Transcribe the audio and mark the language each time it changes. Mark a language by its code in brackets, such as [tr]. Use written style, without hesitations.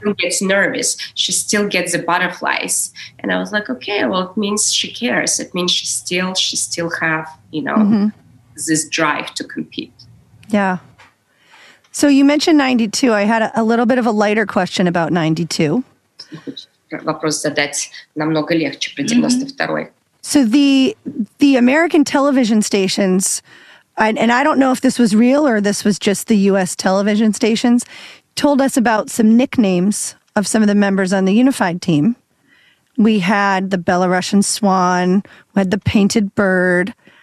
[en] gets nervous. She still gets the butterflies. And I was like, okay, well, it means she cares. It means she still have, you know, this drive to compete. Yeah. So you mentioned 92. I had a little bit of a lighter question about 92. [ru] Вопрос задать намного легче про 92. [en] So the American television stations, and I don't know if this was real or this was just the U.S. television stations, told us about some nicknames of some of the members on the unified team. We had the Belarusian swan, we had the painted bird.